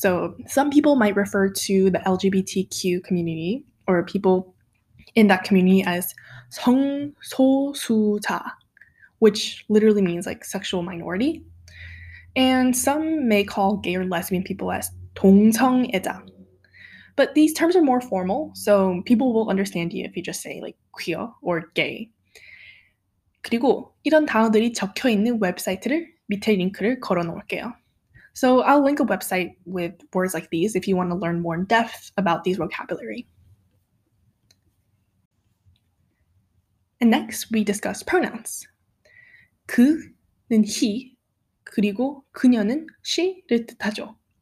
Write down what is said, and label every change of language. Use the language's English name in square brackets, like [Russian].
[English] So some people might refer to the LGBTQ community or people in that community as 성소수자, which literally means like sexual minority. And some may call gay or lesbian people as 동성애자. But these terms are more formal, so people will understand you if you just say like queer or gay. [Korean] 그리고 이런 단어들이 적혀 있는 웹사이트를 밑에 링크를 걸어 놓을게요. [English] So I'll link a website with words like these if you want to learn more in depth about these vocabulary. And next, we discuss pronouns. [Korean] 그는 he, 그리고 그녀는 she를 뜻하죠.